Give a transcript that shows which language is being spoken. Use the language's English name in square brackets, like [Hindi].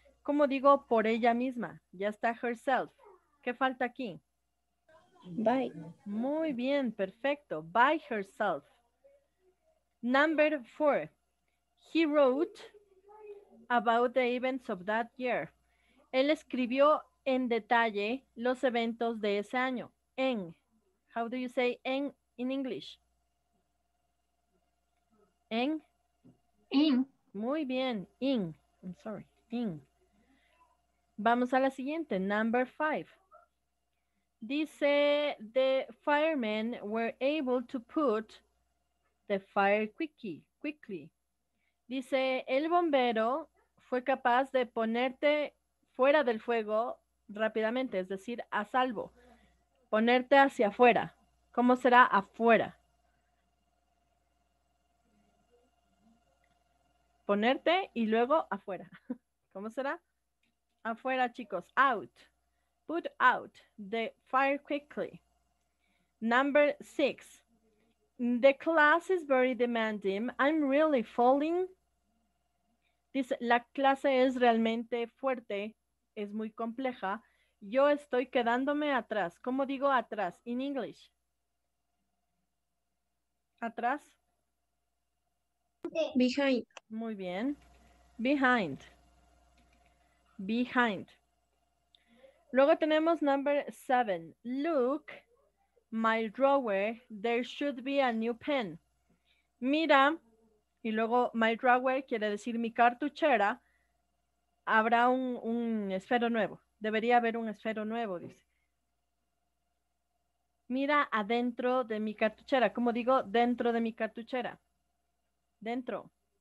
[Spanish] ¿Cómo digo por ella misma? Ya está herself. ¿Qué falta aquí? [English] By. [Spanish] Muy bien, perfecto. [English] By herself. Number four. He wrote about the events of that year. [Spanish] Él escribió en detalle los eventos de ese año. [English] En. How do you say en in English? [Spanish] En. [English] In. [Spanish] Muy bien. In. [English] I'm sorry. [Spanish] In. Vamos a la siguiente. [English] Number five. [Spanish] Dice, [English] the firemen were able to put the fire quickly. [Spanish] Dice, el bombero fue capaz de ponerte fuera del fuego rápidamente, es decir, a salvo. Ponerte hacia afuera. ¿Cómo será afuera? Ponerte y luego afuera. ¿Cómo será? Afuera, chicos. Out. [English] Put out the fire quickly. Number six. The class is very demanding. I'm really falling. [Spanish] Dice, la clase es realmente fuerte. Es muy compleja. Yo estoy quedándome atrás. ¿Cómo digo atrás? [English] In English. [Spanish] ¿Atrás? [English] Behind. [Spanish] Muy bien. Behind. Behind. Luego tenemos number seven. [English] Look, my drawer, there should be a new pen. [Spanish] Mira, y luego [English] my drawer [Spanish] quiere decir mi cartuchera, habrá un esfero nuevo. Debería haber un esfero nuevo, dice. Mira adentro de mi cartuchera. ¿Cómo digo dentro de mi cartuchera? Dentro.